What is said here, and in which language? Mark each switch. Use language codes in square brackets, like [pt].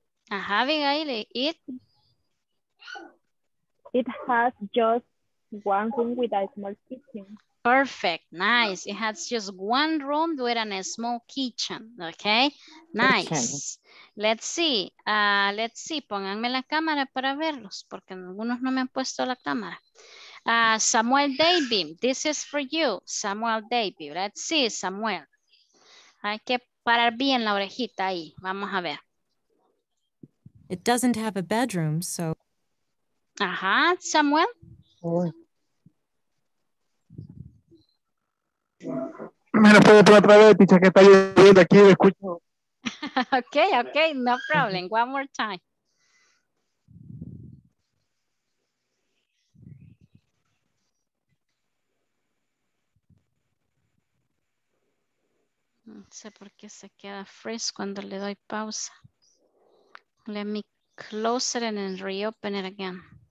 [en] Having it? It has just one room with a small kitchen. Perfect, nice. It has just one room with a small kitchen. Okay, nice. Kitchen. Let's see, [es] pónganme la cámara para verlos, porque algunos no me han puesto la cámara. [en] Samuel Davy, this is for you, Samuel Davy. Let's see, Samuel. [es] Hay que parar bien la orejita ahí, vamos a ver. [en] It doesn't have a bedroom, so... [es] Ajá, Samuel. ¿Me lo puedo traer otra vez, picha, que está lloviendo aquí, me escucho? [en] Okay, okay, no problem. One more time. [es] No sé por qué se queda freeze cuando le doy pausa. [en] Let me close it and then reopen it again.